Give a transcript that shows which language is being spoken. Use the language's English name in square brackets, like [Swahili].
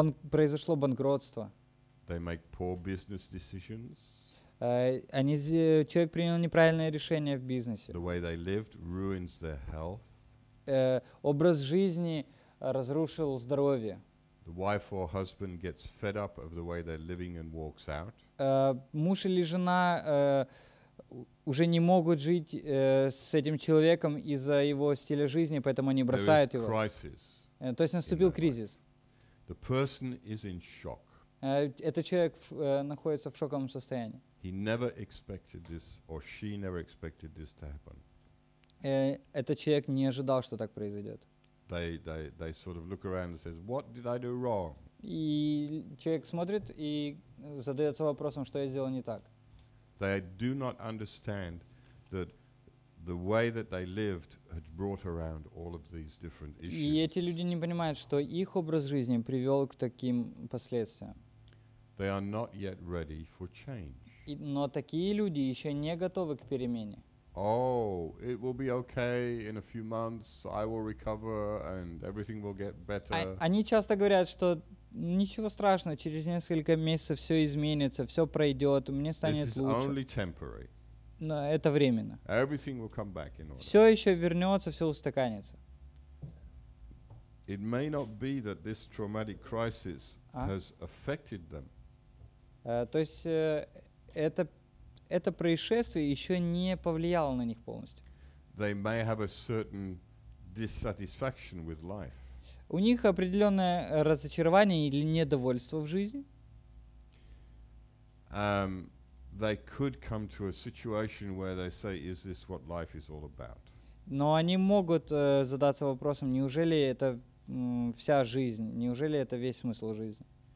[Russian] Произошло банкротство. [English] They make poor business decisions. [Russian] Человек принял неправильное решение в бизнесе. [English] The way they lived ruins their health. [Russian] Образ жизни разрушил здоровье. [English] The wife or husband gets fed up of the way they're living and walks out. [Russian] Муж или жена уже не могут жить с этим человеком из-за его стиля жизни, поэтому они бросают [English] There is [Russian] его. [English] Crisis. [Russian] То есть наступил кризис. [English] The person is in shock. [Russian] Этот человек находится в шоковом состоянии. [English] He never expected this, or she never expected this to happen. [Russian] Этот человек не ожидал, что так произойдет. [English] They sort of look around and says, "What did I do wrong?" [Russian] И человек смотрит и задается вопросом, что я сделал не так. [English] They do not understand that the way that they lived had brought around all of these different issues. [Russian] И эти люди не понимают, что их образ жизни привел к таким последствиям. [English] They are not yet ready for change. [Russian] Но такие люди еще не готовы к перемене. [English] Oh, it will be okay in a few months. I will recover and everything will get better. [Russian] Они часто говорят, что ничего страшного, через несколько месяцев все изменится, все пройдет, мне станет лучше. [English] This is only temporary. [Russian] Но это временно. [English] Everything will come back in order. [Russian] Все еще вернется, все устаканится. [English] It may not be that this traumatic crisis has affected them. [Russian] То есть это происшествие еще не повлияло на них полностью. [English] They may have a certain dissatisfaction with life. [Russian] У них определенное разочарование или недовольство в жизни. [English] They could come to a situation where they say, "Is this what life is all about?" [Russian] Но они могут задаться вопросом: неужели это вся жизнь? Неужели это весь смысл жизни?